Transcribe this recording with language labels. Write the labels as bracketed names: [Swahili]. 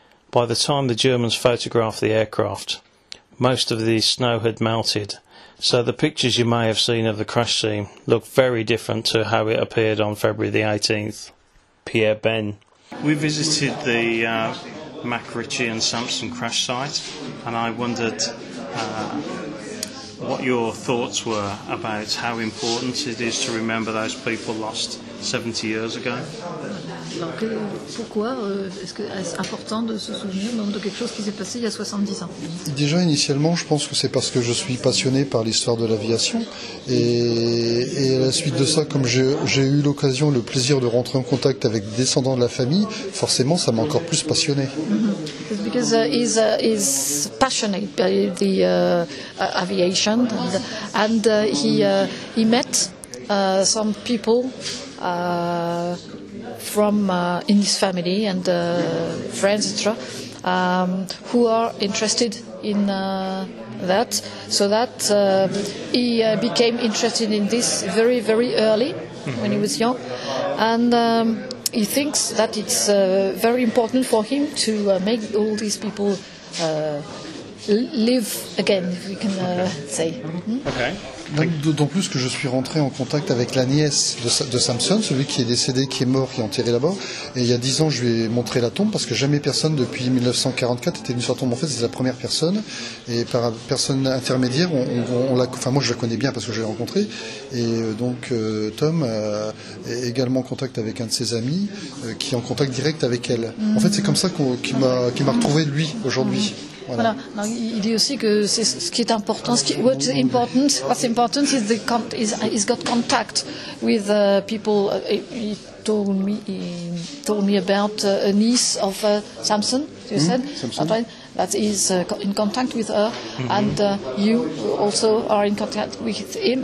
[English] By the time the Germans photographed the aircraft, most of the snow had melted, so the pictures you may have seen of the crash scene look very different to how it appeared on February the 18th. Pierre Ben. We visited the McRitchie and Sampson crash site, and I wondered what your thoughts were about how important it is to remember those people lost 70 years ago. [French] Alors, pourquoi est-ce que c'est important de se souvenir de quelque chose qui s'est passé il y a 70 ans? Déjà, initialement, je pense que c'est parce que je suis passionné par l'histoire de l'aviation. Et à la suite de ça, comme j'ai eu l'occasion, le plaisir de rentrer en contact avec des descendants de la famille, forcément, ça m'a encore plus passionné. [English] Mm-hmm. Because he's passionate by the aviation. And he met some people from in his family and friends, etc., who are interested in that, so that he became interested in this very, very early when he was young, and he thinks that it's very important for him to make all these people live again, if we can say. Mm-hmm. Okay. [French] D'autant plus que je suis rentré en contact avec la nièce de Sampson, celui qui est décédé, qui est mort, qui est enterré là-bas. Et il y a 10 ans, je lui ai montré la tombe, parce que jamais personne depuis 1944 était venu sur la tombe. En fait, c'est la première personne. Et par personne intermédiaire, moi, je la connais bien parce que je l'ai rencontrée. Et donc, Tom est également en contact avec un de ses amis, qui est en contact direct avec elle. Mm-hmm. En fait, c'est comme ça qu'il m'a retrouvé, lui, aujourd'hui. Mm-hmm. Voilà. Non, il dit aussi que c'est ce qui est important. [English] What's important is he's got contact with people. He told me about a niece of Sampson. You said Sampson. That he's in contact with her, mm-hmm. and you also are in contact with him.